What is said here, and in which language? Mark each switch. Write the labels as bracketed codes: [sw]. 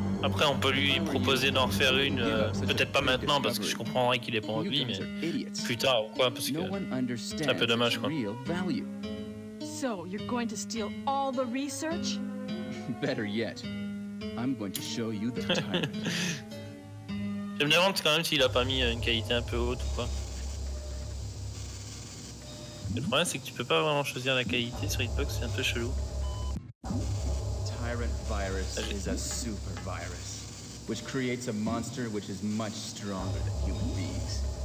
[fr] Après, on peut lui proposer d'en refaire une, peut-être pas maintenant, parce que je comprendrais qu'il n'est pas envie, mais plus tard ou quoi, parce que c'est un peu dommage, quoi. [en] So, you're going to steal all the research? Better yet, I'm going to show you the time. [fr] Je me demande quand même s'il a pas mis une qualité un peu haute ou quoi. Le problème c'est que tu peux pas vraiment choisir la qualité sur Xbox, c'est un peu chelou. [en] Tyrant virus is a super virus, which creates a monster which is much stronger than human beings.